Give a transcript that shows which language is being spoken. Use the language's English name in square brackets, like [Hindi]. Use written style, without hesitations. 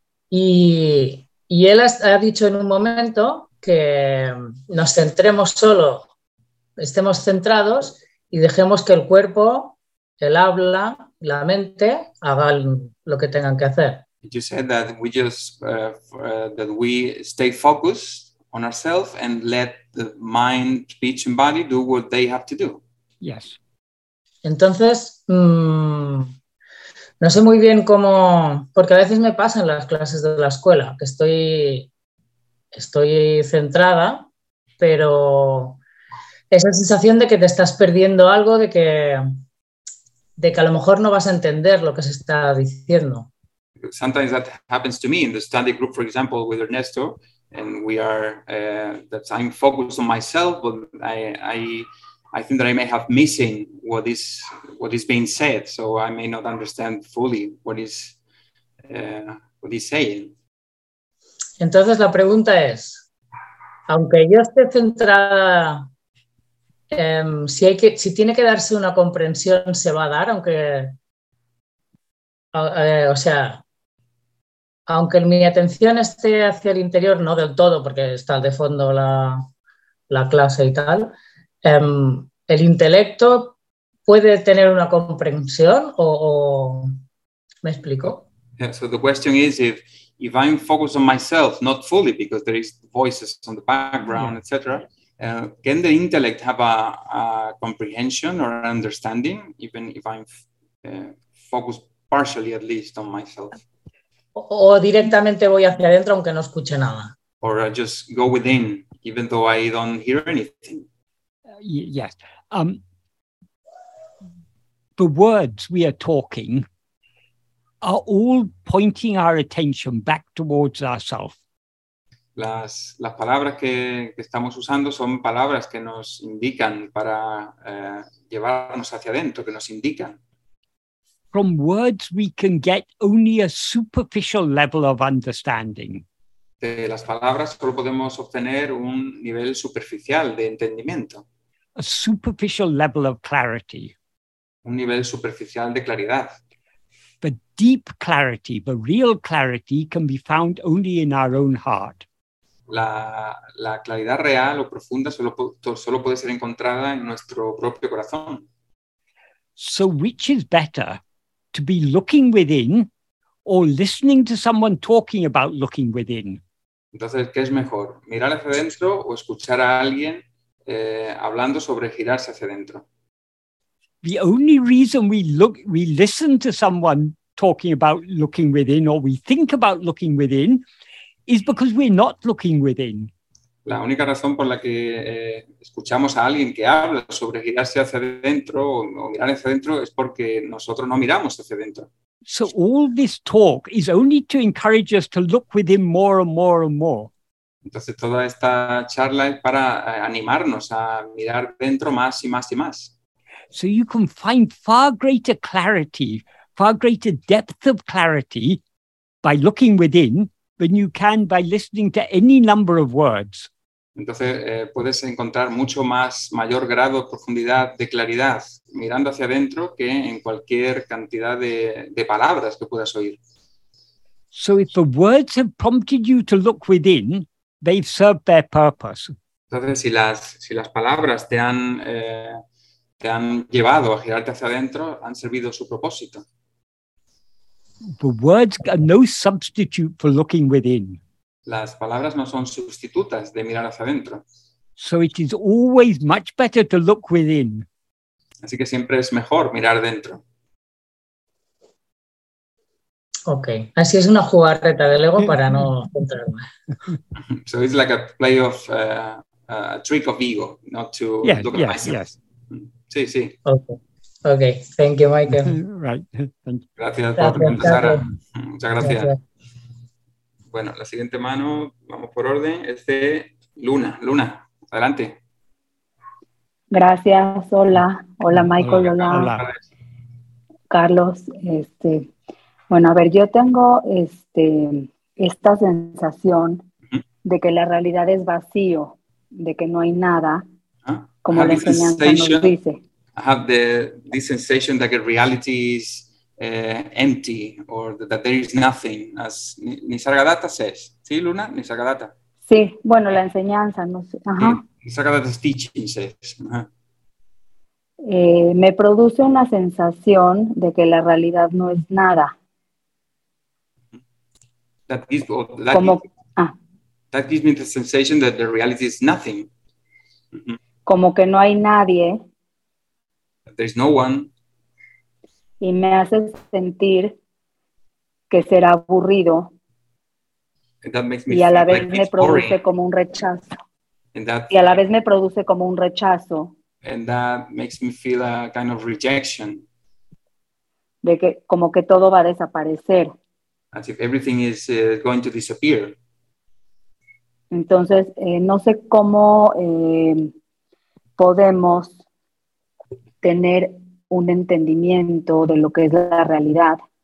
[Spanish] Y él ha dicho en un momento que nos centremos solo, estemos centrados y dejemos que el cuerpo, el habla, la mente hagan lo que tengan que hacer. [English] You said that we just that we stay focused on ourselves and let the mind, speech, and body do what they have to do. Yes. [Spanish] Entonces, no sé muy bien cómo, porque a veces me pasa en las clases de la escuela que estoy centrada, pero esa sensación de que te estás perdiendo algo, de que a lo mejor no vas a entender lo que se está diciendo. [English] Sometimes that happens to me in the study group, for example, with Ernesto, and we are that I'm focused on myself, but I think that I may have missing what is being said, so I may not understand fully what he's saying. [Spanish] Entonces la pregunta es, aunque yo esté centrada, si tiene que darse una comprensión, se va a dar, aunque o sea. Aunque mi atención esté hacia el interior, no del todo, porque está de fondo la clase y tal, ¿el intelecto puede tener una comprensión o me explico? [English] Yeah, so the question is if I'm focused on myself, not fully, because there is voices on the background, etc., can the intellect have a comprehension or an understanding, even if I'm focused partially at least on myself? [Spanish] O directamente voy hacia adentro aunque no escuche nada. [English] Or I just go within, even though I don't hear anything. Yes. The words we are talking are all pointing our attention back towards ourselves. [Spanish] Las palabras que estamos usando son palabras que nos indican para llevarnos hacia adentro, que nos indican. [English] From words we can get only a superficial level of understanding. [Spanish] de las palabras solo podemos obtener un nivel superficial de entendimiento. [English] A superficial level of clarity. [Spanish] Un nivel superficial de claridad. [English] The deep clarity, the real clarity, can be found only in our own heart. [Spanish] La claridad real o profunda solo puede ser encontrada en nuestro propio corazón. [English] So which is better, to be looking within or listening to someone talking about looking within? [Spanish] Entonces, ¿qué es mejor, mirar hacia adentro o escuchar a alguien hablando sobre girarse hacia adentro? [English] The only reason we listen to someone talking about looking within or we think about looking within is because we're not looking within. [Spanish] La única razón por la que escuchamos a alguien que habla sobre girarse hacia adentro o mirar hacia adentro es porque nosotros no miramos hacia adentro. [English] So all this talk is only to encourage us to look within more and more and more. [Spanish] Entonces toda esta charla es para animarnos a mirar dentro más y más y más. [English] So you can find far greater clarity, far greater depth of clarity by looking within than you can by listening to any number of words. [Spanish] Entonces puedes encontrar mucho más mayor grado, profundidad de claridad mirando hacia adentro que en cualquier cantidad de palabras que puedas oír. [English] So if the words have prompted you to look within, they've served their purpose. [Spanish] Entonces si las palabras te han llevado a girarte hacia adentro, han servido su propósito. [English] The words are no substitute for looking within. [Spanish] Las palabras no son sustitutas de mirar hacia adentro. [English] So it is always much better to look within. [Spanish] Así que siempre es mejor mirar dentro. Ok, así es una jugarreta del ego para no entrar. [English] So it's like a play of a trick of ego, not to yes, look yes, at myself. Yes. [Spanish] Sí, sí. [English] Ok, thank you, Michael. Right. Thank you. [Spanish] Gracias por preguntar, Sara. Muchas gracias. Bueno, la siguiente mano, vamos por orden, es de Luna. Luna, adelante. Gracias, hola. Hola, Michael, hola. Carlos, bueno, a ver, yo tengo esta sensación de que la realidad es vacío, de que no hay nada, como la enseñanza nos dice. [English] I have this sensation that reality is empty, or that there is nothing, as Nisargadatta says. [Spanish] ¿Sí, Luna? Nisargadatta. Sí, bueno, la enseñanza. No sé. Ajá. [English] Nisargadatta's teaching says. Ajá. [Spanish] Me produce una sensación de que la realidad no es nada. [English] That gives me the sensation that the reality is nothing. [Spanish] Como que no hay nadie. [English] There's no one. [Spanish] Y me hace sentir que será aburrido. [English] And that makes me [Spanish] y a la vez like me produce boring. Como un rechazo. Y a la vez me produce como un rechazo. [English] And that makes me feel a kind of rejection. [Spanish] De que como que todo va a desaparecer. [English] As if everything is going to disappear. [Spanish] Entonces, no sé cómo podemos tener un entendimiento de lo que es la realidad.